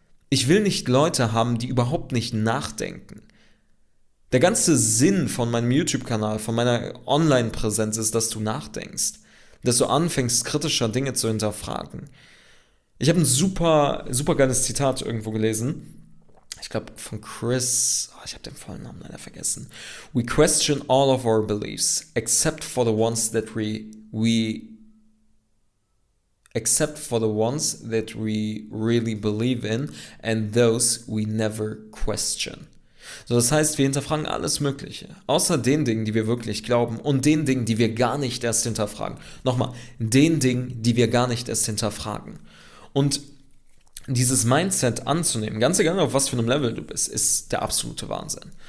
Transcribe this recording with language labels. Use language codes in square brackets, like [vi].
[de] Ich will nicht Leute haben, die überhaupt nicht nachdenken. Der ganze Sinn von meinem YouTube-Kanal, von meiner Online-Präsenz ist, dass du nachdenkst. Dass du anfängst, kritischer Dinge zu hinterfragen. Ich habe ein super, super geiles Zitat irgendwo gelesen. Ich glaube, von Chris, oh, ich habe den vollen Namen leider vergessen. [en] We question all of our beliefs, except for the ones that we really believe in and those we never question. [de] So, das heißt, wir hinterfragen alles Mögliche, außer den Dingen, die wir wirklich glauben und den Dingen, die wir gar nicht erst hinterfragen. Nochmal, den Dingen, die wir gar nicht erst hinterfragen. Und dieses Mindset anzunehmen, ganz egal, auf was für einem Level du bist, ist der absolute Wahnsinn.